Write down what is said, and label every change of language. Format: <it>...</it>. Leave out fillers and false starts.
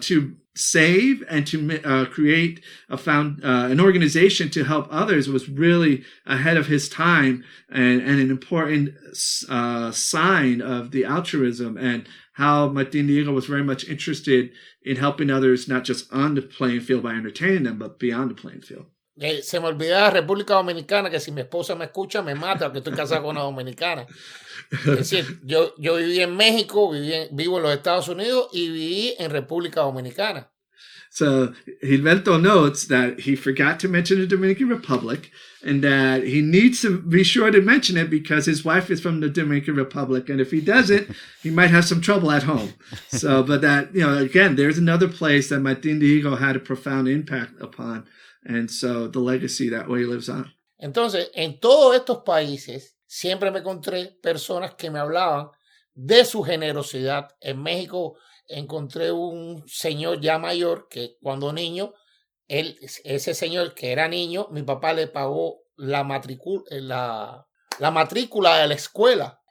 <en>to save and to create a an organization to help others was really ahead of his time and an important sign of the altruism and how Martin Diego was very much interested in helping others, not just on the playing field by entertaining them, but beyond the playing field.</en> <es>Se me olvidaba República Dominicana, que si mi esposa me escucha, me mata, porque estoy casado con una dominicana. Es decir, yo viví en México, vivo en los Estados Unidos y viví en República Dominicana.</es> <en>So, Gilberto notes that he forgot to mention the Dominican Republic and that he needs to be sure to mention it because his wife is from the Dominican Republic. And if he doesn't, he might have some trouble at home. So, but that, you know, again, there's another place that Martin Diego had a profound impact upon. And so the legacy that way lives on.</en> <es>Entonces, en todos estos países, siempre me encontré personas que me hablaban de su generosidad. En México encontré un señor ya mayor que cuando niño, él, ese señor que era niño, mi papá le pagó la matrícula de la escuela.</es>